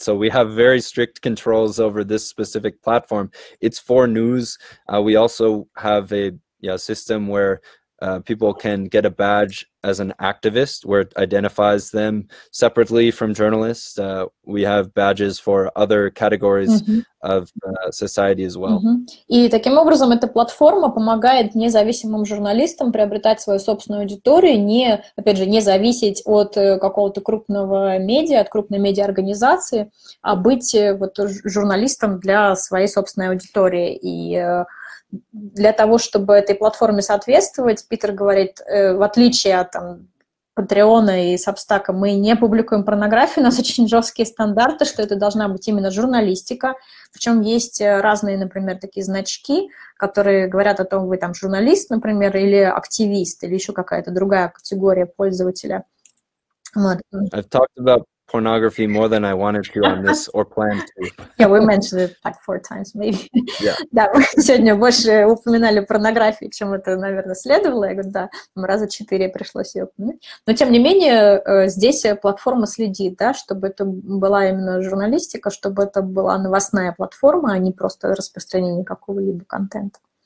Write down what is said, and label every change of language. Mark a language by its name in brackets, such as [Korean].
[English] So we have very strict controls over this specific platform. It's for news. We also have a system where people can get a badge as an activist, where it identifies them separately from journalists. We have badges for other categories mm-hmm. of society as well. Mm-hmm. [Russian] И таким образом эта платформа помогает независимым журналистам приобретать свою собственную аудиторию, не зависеть от какого-то крупного медиа, от крупной медиа-организации, а быть вот журналистом для своей собственной аудитории. И для того, чтобы этой платформе соответствовать, Питер говорит, в отличие от Патреона и Сабстака, мы не публикуем порнографию, у нас очень жесткие стандарты, что это должна быть именно журналистика, причем есть разные, например, такие значки, которые говорят о том, вы там журналист, например, или активист, или еще какая-то другая категория пользователя. [English] I've talked about pornography more than I wanted to on this or planned to. Yeah, we mentioned it like 4 times, maybe. Yeah. [Russian] Да, мы сегодня больше упоминали порнографию, чем это, наверное, следовало. Я говорю, да, раза 4 пришлось ее упомянуть. Но, тем не менее, здесь платформа следит, да, чтобы это была именно журналистика, чтобы это была новостная платформа, а не просто распространение какого-либо контента.